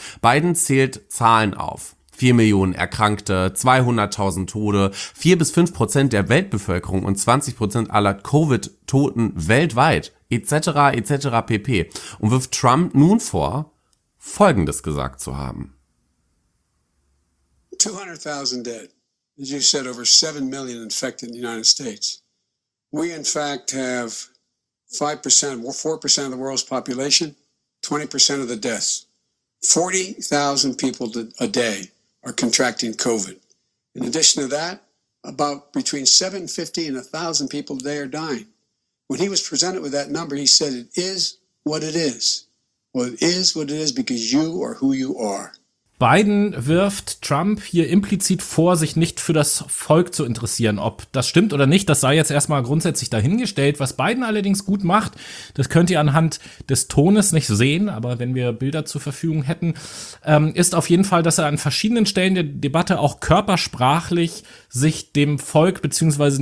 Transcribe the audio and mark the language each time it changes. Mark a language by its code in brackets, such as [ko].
[de] Biden zählt Zahlen auf. 4 Millionen Erkrankte, 200.000 Tode, 4-5% der Weltbevölkerung und 20% aller Covid-Toten weltweit, etc. etc. pp. Und wirft Trump nun vor, Folgendes gesagt zu haben. [en] 200.000 dead. As you said, over 7 million infected in the United States. We in fact have 5%, 4% of the world's population, 20% of the deaths. 40,000 people a day are contracting COVID. In addition to that, about between 750 and 1,000 people a day are dying. When he was presented with that number, he said, it is what it is. Well, it is what it is because you are who you are. [de] Biden wirft Trump hier implizit vor, sich nicht für das Volk zu interessieren. Ob das stimmt oder nicht, das sei jetzt erstmal grundsätzlich dahingestellt. Was Biden allerdings gut macht, das könnt ihr anhand des Tones nicht sehen, aber wenn wir Bilder zur Verfügung hätten, ist auf jeden Fall, dass er an verschiedenen Stellen der Debatte auch körpersprachlich sich dem Volk bzw.